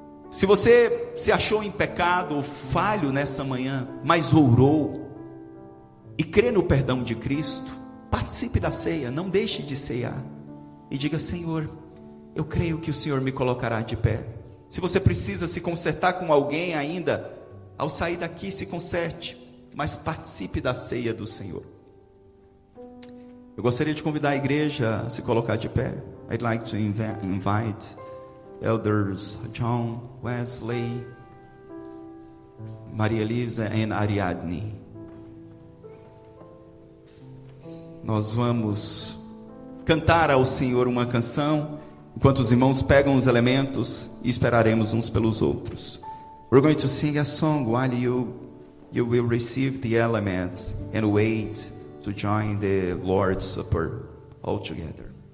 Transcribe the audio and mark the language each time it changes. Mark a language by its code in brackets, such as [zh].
[pt] Se você se achou em pecado ou falho nessa manhã, mas orou e crê no perdão de Cristo, participe da ceia, não deixe de ceiar e diga: Senhor, eu creio que o Senhor me colocará de pé. Se você precisa se consertar com alguém ainda, ao sair daqui se conserte, mas participe da ceia do Senhor. Eu gostaria de convidar a igreja a se colocar de pé. [en] I'd like to invite elders John, Wesley, Maria Elisa e Ariadne. [pt] Nós vamos cantar ao Senhor uma canção, enquanto os irmãos pegam os elementos e esperaremos uns pelos outros. [en] We're going to sing a song while you will receive the elements and wait to join the Lord's Supper all together.